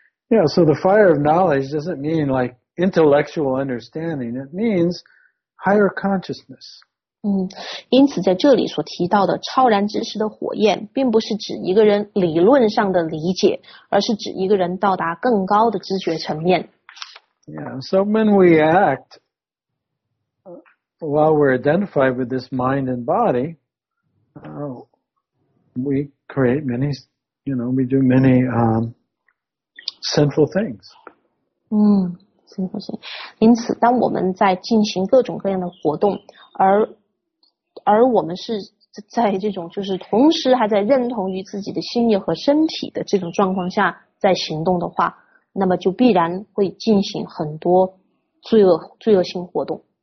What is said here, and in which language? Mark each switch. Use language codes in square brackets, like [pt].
[en] Yeah, so the fire of knowledge doesn't mean like intellectual understanding. It means higher consciousness. [zh] 因此在这里所提到的超然知识的火焰并不是指一个人理论上的理解，而是指一个人到达更高的知觉层面。 [en] Yeah, so when we act, while we're identified with this mind and body, we create many, you know, we do many,sinful things. sinful things. [zh] 因此当我们在进行各种各样的活动，而我们是在这种就是同时还在认同于自己的心意和身体的这种状况下在行动的话，那么就必然会进行很多罪恶性活动。